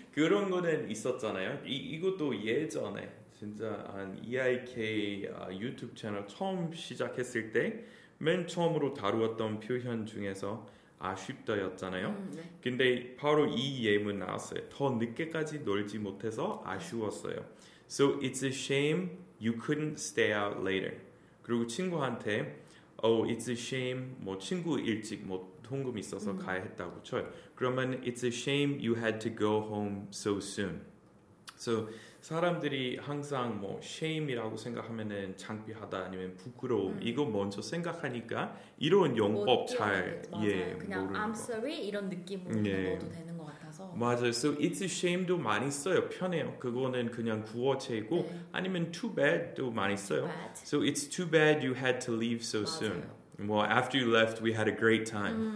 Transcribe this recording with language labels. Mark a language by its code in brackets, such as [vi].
[ko] 그런 거는 있었잖아요. 이것도 예전에 진짜 한 EiK 유튜브 채널 처음 시작했을 때 맨 처음으로 다루었던 표현 중에서 아쉽다였잖아요. 네. 근데 바로 이 예문 나왔어요. 더 늦게까지 놀지 못해서 아쉬웠어요. [en] So it's a shame you couldn't stay out later. [ko] 그리고 친구한테 [en] Oh, it's a shame [ko] 뭐 친구 일찍 뭐 통금 있어서 가야 했다고 쳐요. [en] 그러면 It's a shame you had to go home so soon. [ko] So 사람들이 항상 뭐 shame이라고 생각하면은 창피하다 아니면 부끄러움 이거 먼저 생각하니까 이런 용법 잘 예 모르는 거 I'm sorry 이런 느낌으로 예. 넣어도 되는 것 같아서 맞아요. [en] So it's a shame [ko] 도 많이 써요. 편해요. 그거는 그냥 구어체이고 네. 아니면 too bad도 많이 써요. [en] Too bad. So it's too bad you had to leave so [ko] 맞아요. [en] soon. Well, after you left, we had a great time.